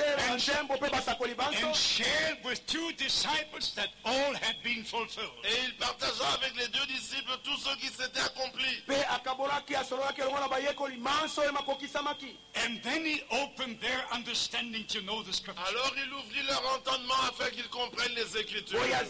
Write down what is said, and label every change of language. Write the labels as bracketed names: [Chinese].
[English] And shared with two disciples that all had been fulfilled. [French] Et il partagea avec les deux disciples tout ce qui s'était accompli. [English] And then he opened their understanding to know the scriptures. [French] Alors il ouvrit leur entendement afin qu'ils comprennent les écritures.